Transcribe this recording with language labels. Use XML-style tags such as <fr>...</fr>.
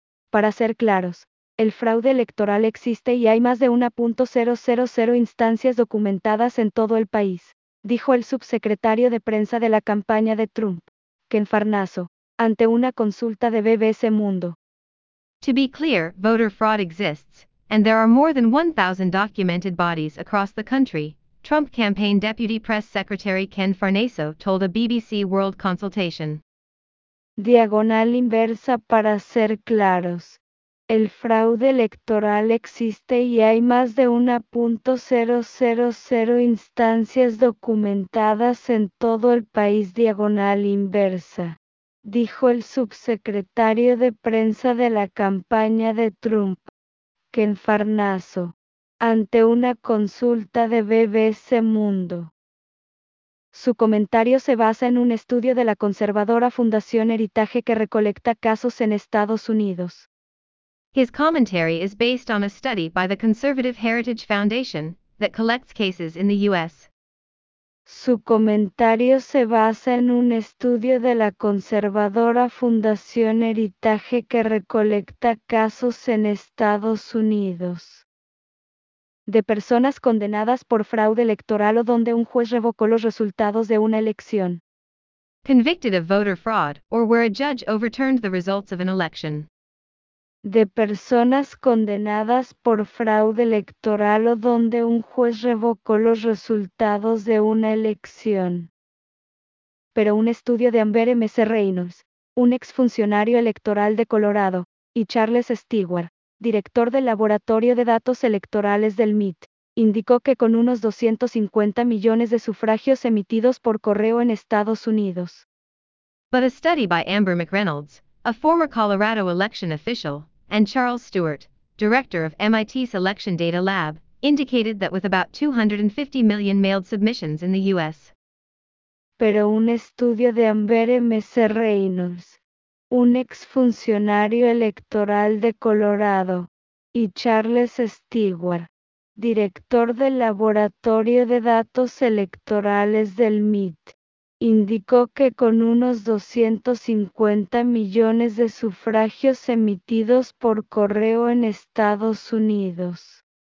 <es>Para ser claros, el fraude electoral existe y hay más de 1.000 instancias documentadas en todo el país, dijo el subsecretario de prensa de la campaña de Trump, Ken Farnazzo, ante una consulta de BBC Mundo.</es> <en>To be clear, voter fraud exists, and there are more than 1,000 documented bodies across the country, Trump campaign deputy press secretary Ken Farnazzo told a BBC World consultation.</en> <es>Diagonal inversa, para ser claros, El fraude electoral existe y hay más de 1.000 instancias documentadas en todo el país diagonal inversa, dijo el subsecretario de prensa de la campaña de Trump, Ken Farnazzo, ante una consulta de BBC Mundo. Su comentario se basa en un estudio de la conservadora Fundación Heritage que recolecta casos en Estados Unidos.</es> <en>His commentary is based on a study by the Conservative Heritage Foundation that collects cases in the U.S.</en> <es>Su comentario se basa en un estudio de la conservadora Fundación Heritage que recolecta casos en Estados Unidos. De personas condenadas por fraude electoral o donde un juez revocó los resultados de una elección.</es> <en>Convicted of voter fraud or where a judge overturned the results of an election.</en> <es>De personas condenadas por fraude electoral o donde un juez revocó los resultados de una elección. Pero un estudio de Amber M.C. Reynolds, un exfuncionario electoral de Colorado, y Charles Stewart, director del Laboratorio de Datos Electorales del MIT, indicó que con unos 250 millones de sufragios emitidos por correo en Estados Unidos.</es> <en>But a study by Amber McReynolds, a former Colorado election official, and Charles Stewart, director of MIT's Election Data Lab, indicated that with about 250 million mailed submissions in the U.S.</en> <es>Pero un estudio de Amber M.C. Reynolds, un exfuncionario electoral de Colorado, y Charles Stewart, director del Laboratorio de Datos Electorales del MIT, indicó que con unos 250 millones de sufragios emitidos por correo en Estados Unidos.</es>